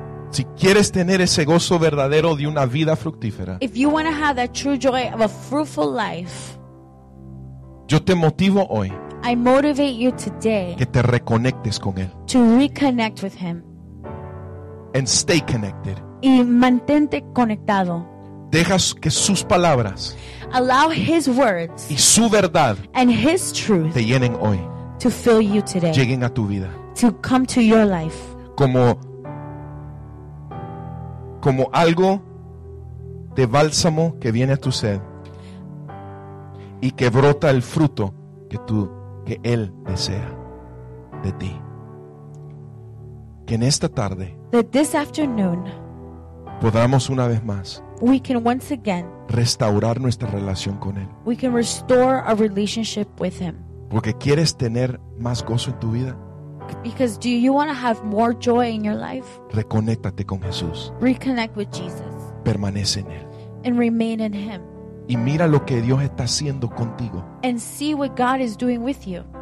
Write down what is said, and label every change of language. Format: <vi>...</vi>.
<es>Si quieres tener ese gozo verdadero de una vida fructífera,</es> <en>if you want to have that true joy of a fruitful life,</en> <es>yo te motivo hoy,</es> <en>I motivate you today,</en> <es>que te reconectes con él,</es> <en>to reconnect with him, and stay connected,</en> <es>y mantente conectado. Dejas que sus palabras,</es> <en>allow his words,</en> <es>y su verdad,</es> <en>and his truth,</en> <es>te llenen hoy,</es> <en>to fill you today,</en> <es>lleguen a tu vida,</es> <en>to come to your life,</en> <es>como algo de bálsamo que viene a tu sed y que brota el fruto que tú, que él desea de ti. Que en esta tarde,</es> <en>that this afternoon,</en> <es>podamos una vez más,</es> <en>we can once again,</en> <es>restaurar nuestra relación con él,</es> <en>we can restore our relationship with him.</en> <es>Porque quieres tener más gozo en tu vida,</es> <en>because do you want to have more joy in your life?</en> <es>Reconéctate con Jesús.</es> <en>Reconnect with Jesus.</en> <es>Permanece en él.</es> <en>And remain in him.</en> <es>Y mira lo que Dios está haciendo contigo.</es> <en>And see what God is doing with you.</en>